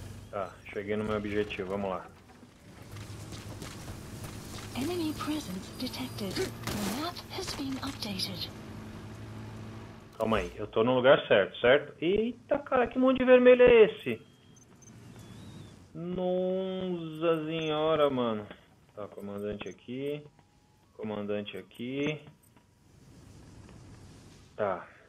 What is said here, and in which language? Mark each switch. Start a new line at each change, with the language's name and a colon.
Portuguese: Tá, cheguei no meu objetivo, vamos lá.
English: Enemy presence detected. The map has been updated.
Portuguese: Calma aí, eu tô no lugar certo, certo? Eita, cara, que monte de vermelho é esse? Nossa senhora, mano. Tá, comandante aqui. Comandante aqui. Tá.